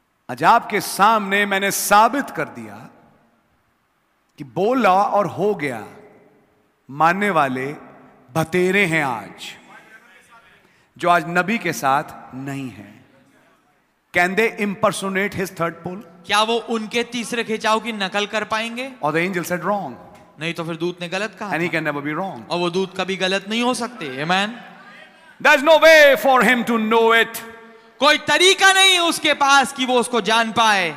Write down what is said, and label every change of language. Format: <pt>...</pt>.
<hi>आज आपके सामने मैंने साबित कर दिया कि बोला और हो गया मानने वाले बतेरे हैं आज, जो आज नबी के साथ नहीं है.</hi> <en>Can they impersonate his third pull?</en> <hi>क्या वो उनके तीसरे खिंचाव की नकल कर पाएंगे?</hi> <en>Or the angel said wrong.</en> <hi>नहीं तो फिर दूत ने गलत कहा.</hi> <en>And he can never be wrong.</en> <hi>और वो दूत कभी गलत नहीं हो सकते.</hi> <en>Amen. There's no way for him to know it.</en> <hi>कोई तरीका नहीं उसके पास कि वो उसको जान पाए.</hi>